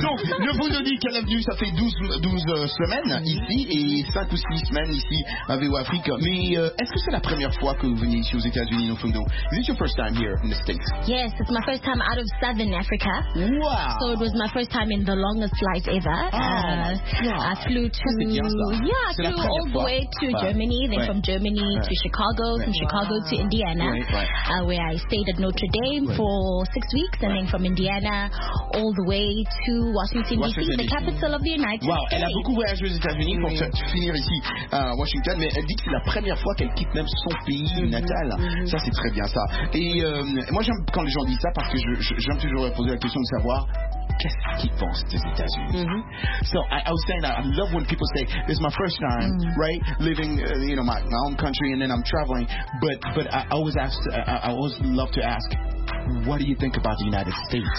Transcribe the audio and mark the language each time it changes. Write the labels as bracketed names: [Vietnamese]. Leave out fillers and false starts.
[French] donc, le Bouddhodic à l'avenue, ça fait 12 semaines ici et 5 ou 6 semaines ici à VO Afrique. Mais est-ce que c'est la première fois que vous venez ici aux États-Unis, au Fundo? [English] Is this your first time here in the States? Yes, it's my first time out of Southern Africa. Wow. So it was my first time in the longest flight ever. Oh, I flew to. Yeah, I flew all the way to Germany, then from Germany to Chicago, from Chicago to Indiana, where I stayed at Notre Dame for 6 weeks, and then from Indiana all the way to Washington, D.C., the capital of the United States. [French] Wow, elle a beaucoup voyagé aux États-Unis pour finir ici à Washington, mais elle dit que c'est la première fois qu'elle quitte même son pays natal. Ça, c'est très bien, ça. Et moi, j'aime quand les gens disent ça, parce que j'aime toujours poser la question de savoir qu'est-ce qu'ils pensent des États-Unis. [English] So, I was saying that I love when people say, it's my first time, right, living, you know, my own country, and then I'm traveling, but I always ask, I always love to ask, what do you think about the United States?